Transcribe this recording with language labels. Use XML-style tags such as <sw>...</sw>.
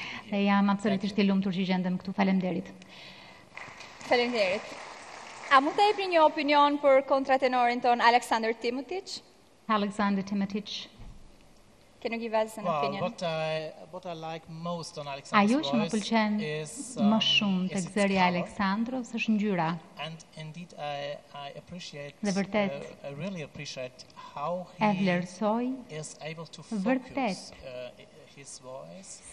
<sq>Dhe jam absolutisht i lumtur që gjendem këtu. Faleminderit. Faleminderit. A mund të jepni një opinion për kontratenorin ton Alexander Timotić? Alexander Timotić.</sq> <en>Can you give us an opinion? Well, what I like most on Alexander's voice is</en> <sq>ajo që më pëlqen më shumë tek zëri i Aleksandrovs është ngjyra.</sq> <en>And indeed I appreciate I really appreciate how he</en> <sq>vlerësoj</sq> <en>is able to focus his voice</en>